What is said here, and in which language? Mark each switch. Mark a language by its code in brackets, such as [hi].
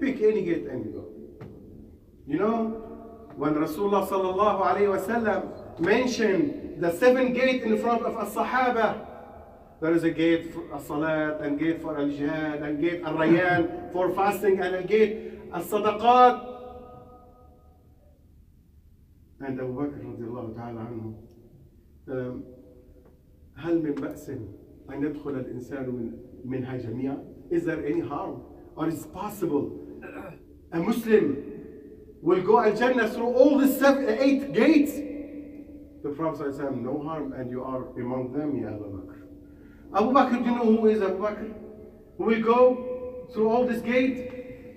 [en] Pick any gate and you go. You know, when Rasulullah sallallahu alayhi wa sallam mentioned the 7 gates in front of As-Sahaba, there is a gate for As-Salat, and gate for Al-Jihad, and gate Al-Rayyan for fasting, and a gate As-Sadaqat. And Abu Bakr radiallahu ta'ala anhu, [ar] هل من بأس أن يدخل الإنسان منها جميعا? [en] Is there any harm? Or is it possible a Muslim will go Al-Jannah through all the 8 gates? The Prophet said, no harm, and you are among them, Ya Abu Bakr. Abu Bakr, do you know who is Abu Bakr? Who will go through all this gate?